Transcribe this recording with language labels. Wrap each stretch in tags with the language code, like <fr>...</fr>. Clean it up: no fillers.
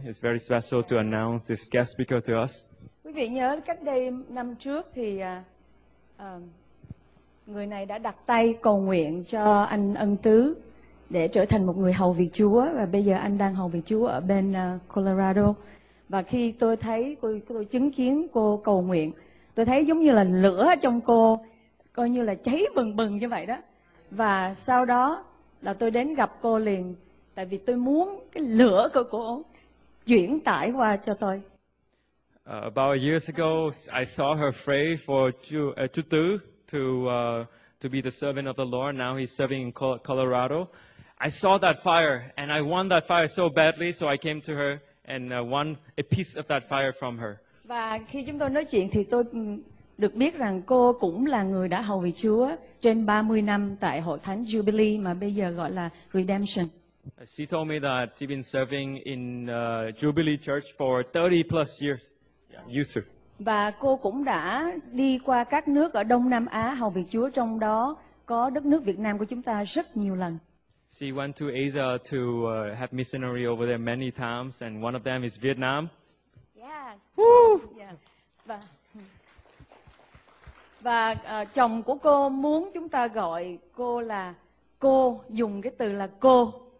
<en>It's very special to announce this guest speaker to us.</en> <vi>Quý vị nhớ cách đây năm trước thì... người này đã đặt tay cầu nguyện cho anh Ân Tứ để trở thành một người hầu việc Chúa, và bây giờ anh đang hầu việc Chúa ở bên Colorado. Và khi tôi thấy tôi chứng kiến cô cầu nguyện, tôi thấy giống như là lửa trong cô coi như là cháy bừng bừng như vậy đó. Và sau đó là tôi đến gặp cô liền, tại vì tôi muốn cái lửa của cô chuyển tải qua cho tôi.</vi> <en>About years ago, I saw her pray for Chú Tứ to be the servant of the Lord. Now he's serving in Colorado. I saw that fire and I want that fire so badly, so I came to her and won a piece of that fire from her.</en> <vi>Và khi chúng tôi nói chuyện thì tôi được biết rằng cô cũng là người đã hầu vị Chúa trên 30 năm tại hội thánh Jubilee mà bây giờ gọi là Redemption.</vi> <en>She told me that she's been serving in Jubilee Church for 30 plus years. You too.</en> <vi>Và cô cũng đã đi qua các nước ở Đông Nam Á hầu việc Chúa, trong đó có đất nước Việt Nam của chúng ta rất nhiều lần.</vi> <en>She went to Asia to have missionary over there many times, and one of them is Vietnam. Yes. Woo. Yeah.</en> <vi>Và chồng của cô muốn chúng ta gọi cô là cô, dùng cái từ là cô.</vi>